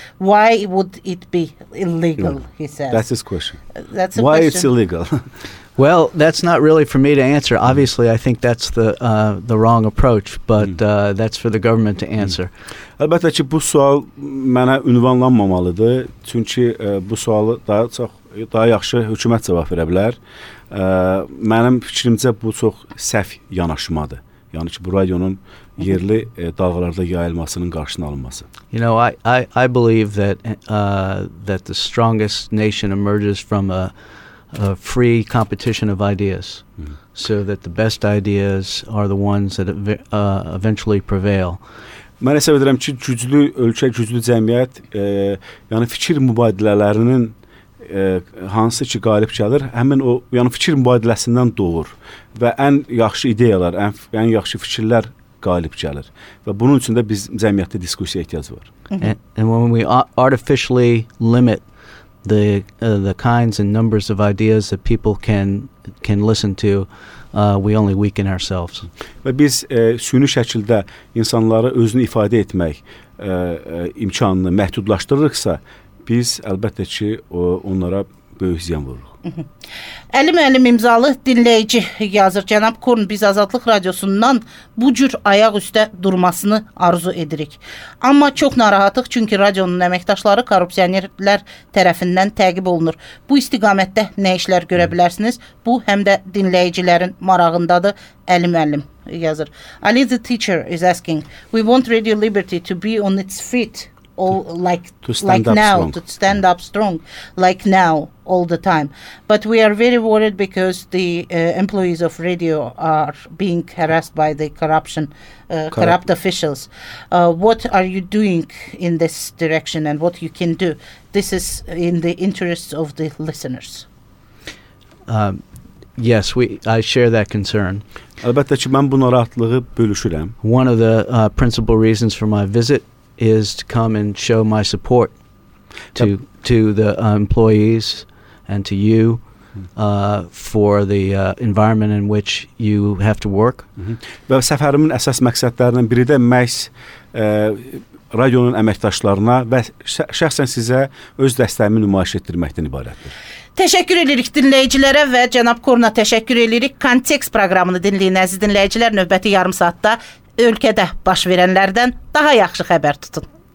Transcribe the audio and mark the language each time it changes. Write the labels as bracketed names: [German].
[English] Why would it be illegal, he says? That's his question. That's why question. It's illegal. Well, that's not really for me to answer. Obviously, I think that's the wrong approach, but that's for the government to answer. [Azerbaijani] Əlbəttə ki, bu sual mənə ünvanlanmamalıdır, çünki bu sualı daha yaxşı hökumət cavab verə bilər. Mənim fikrimcə bu çox səhv yanaşmadır. Yəni ki, bu radionun yerli dalğalarda yayılmasının qarşısının alınması. [English] You know, I believe that that the strongest nation emerges from a free competition of ideas. So that the best ideas are the ones that eventually prevail. [Azerbaijani] Mən hesab edirəm ki, güclü ölkə, güclü cəmiyyət, yəni fikir mübadilələrinin hansı ki qalib gəlir, həmin o yəni fikir mübadiləsindən doğur və ən yaxşı ideyalar, ən yaxşı fikirlər qalib gəlir. Və bunun üçün də biz cəmiyyətdə diskussiya ehtiyacı var. [English] And when we artificially limit the kinds and numbers of ideas that people can listen to, we only weaken ourselves. [Azerbaijani] Və biz süni şəkildə insanları özünü ifadə etmək imkanını məhdudlaşdırırıqsa, biz əlbəttə ki onlara böyük ziyan vururuq. Əlim Əlim imzalı dinləyici yazır. Cənab Korn, biz Azadlıq Radiosundan bu cür ayaq üstə durmasını arzu edirik. Amma çox narahatıq, çünki radionun əməkdaşları korrupsiyonerlər tərəfindən təqib olunur. Bu istiqamətdə nə işlər görə bilərsiniz? Bu həm də dinləyicilərin marağındadır. Əlim Əlim yazır. [English] Ali the teacher is asking, we want Radio Liberty to be on its feet. To stand up strong, like now, all the time. But we are very worried because the employees of radio are being harassed by the corrupt officials. What are you doing in this direction, and what you can do? This is in the interests of the listeners. Yes, I share that concern. [Azerbaijani] Albatta ki, mən bu narahatlığı bölüşürəm. [English] One of the principal reasons for my visit is to come and show my support to the employees and to you for the environment in which you have to work. [Azerbaijani] Və səfərimin əsas məqsədlərindən biri də məhz radionun əməkdaşlarına və şəxsən sizə öz dəstəyimi nümayiş etdirməkdən ibarətdir. Təşəkkür edirik dinləyicilərə və cənab Korna təşəkkür edirik. Kontekst proqramını dinləyin, əziz dinləyicilər. Növbəti yarım saatda ölkədə baş verənlərdən daha yaxşı xəbər tutun.